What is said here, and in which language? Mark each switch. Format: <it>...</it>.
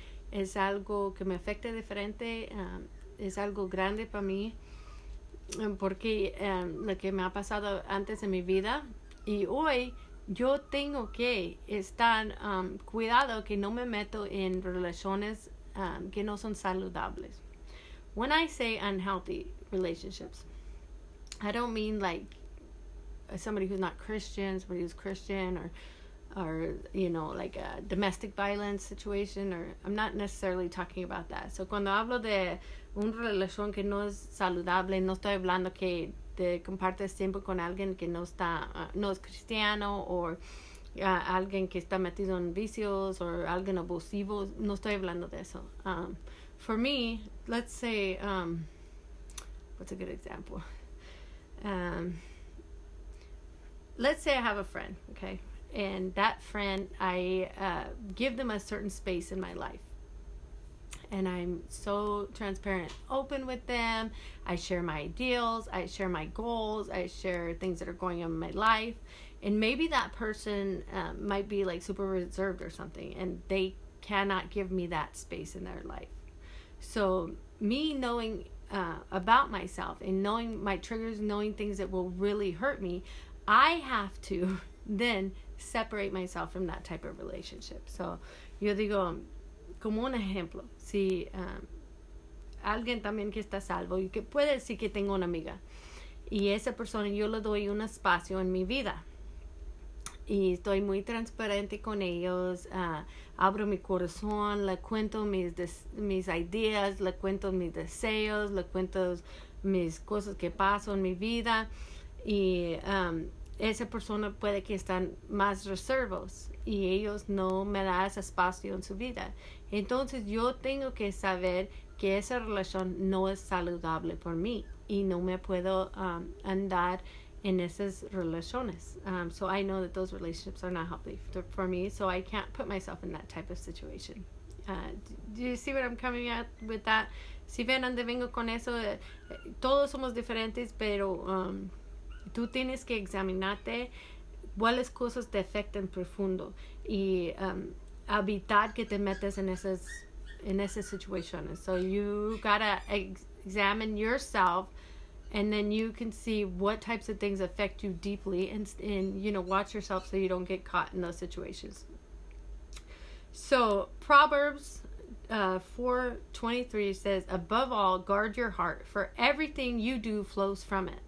<es>Es algo que me afecta diferente, es algo grande para mí, porque lo que me ha pasado antes en mi vida y hoy. Yo tengo que estar cuidado que no me meto en relaciones que no son saludables.</es> <en>When I say unhealthy relationships, I don't mean like somebody who's not Christian, somebody who's Christian, or like a domestic violence situation, or I'm not necessarily talking about that.</en> <es>So cuando hablo de una relación que no es saludable, no estoy hablando que compartes tiempo con alguien que no está, no es cristiano o alguien que está metido en vicios o alguien abusivo, no estoy hablando de eso.</es> <en>For me, let's say, what's a good example? Let's say I have a friend, okay? And that friend, I give them a certain space in my life. And I'm so transparent, open with them. I share my ideals, I share my goals, I share things that are going on in my life. And maybe that person might be like super reserved or something, and they cannot give me that space in their life. So me knowing about myself and knowing my triggers, knowing things that will really hurt me, I have to then separate myself from that type of relationship.</en> <es>So yo digo, como un ejemplo, si alguien también que está salvo y que puede decir que tengo una amiga y esa persona yo le doy un espacio en mi vida y estoy muy transparente con ellos, abro mi corazón, le cuento mis ideas, le cuento mis deseos, le cuento mis cosas que paso en mi vida y esa persona puede que están más reservos y ellos no me dan ese espacio en su vida. Entonces yo tengo que saber que esa relación no es saludable por mí y no me puedo andar en esas relaciones.</es> <en>So I know that those relationships are not healthy for me, so I can't put myself in that type of situation. Do you see where I'm coming at with that?</en> <es>Si ven dónde vengo con eso, todos somos diferentes, pero tú tienes que examinarte cuáles cosas te afectan profundo y evitar que te metas en esas</es> <en>in this situation. So you gotta examine yourself, and then you can see what types of things affect you deeply, and you know, watch yourself so you don't get caught in those situations. So Proverbs 4:23 says, above all, guard your heart, for everything you do flows from it.</en>